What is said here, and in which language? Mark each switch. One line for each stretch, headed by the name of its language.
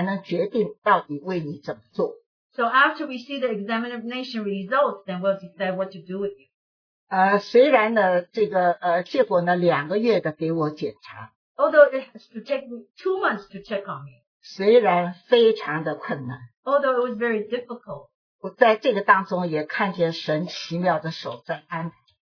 Chinese: 一切检查结果呢，我们才能决定到底为你怎么做。
English: So after we see the examination results, then we'll decide what to do with you.
Chinese: 虽然呢，这个结果呢，两个月的给我检查。
English: Although it has to take 2 months to check on me.
Chinese: 虽然非常的困难。
English: Although it was very difficult.
Chinese: 我在这个当中也看见神奇妙的手在安排。